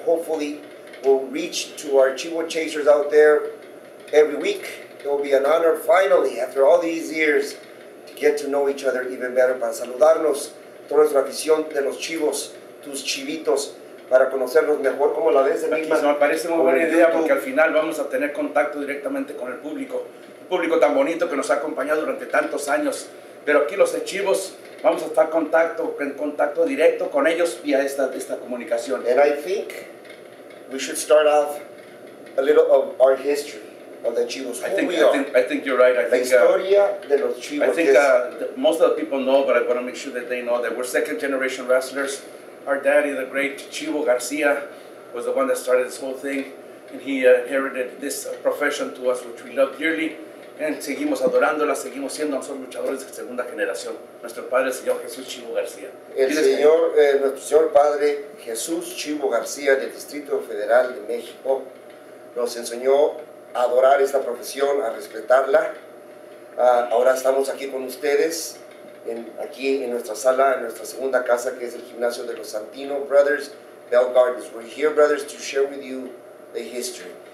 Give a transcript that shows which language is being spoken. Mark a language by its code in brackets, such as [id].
[en] Hopefully, we'll reach to our chivo chasers out there every week. It will be an honor, finally, after all these years, to get to know each other even better. [es] Para saludarnos, toda nuestra afición de los chivos, tus chivitos, para conocerlos mejor. ¿Cómo la ves, Enigma? Me parece muy buena idea, porque al final vamos a tener contacto directamente con el público. Un público tan bonito que nos ha acompañado durante tantos años. Pero aquí los chivos, vamos a estar en contacto directo con ellos vía esta comunicación. [en] And I think we should start off a little of our history. Of the chivos, I think you're right. Most of the people know, but I want to make sure that they know that we're second generation wrestlers. Our daddy, the great Chivo Garcia, was the one that started this whole thing, and he inherited this profession to us, which we love dearly. [es] And seguimos adorándola, seguimos siendo nosotros luchadores de segunda generación. Nuestro padre, el señor Jesús Chivo García. Nuestro señor padre Jesús Chivo García del Distrito Federal de México nos enseñó adorar esta profesión, a respetarla. Ahora estamos aquí con ustedes, aquí en nuestra sala, en nuestra segunda casa, que es el gimnasio de los Santino Brothers, Bell Gardens. [en] We're here, brothers, to share with you the history.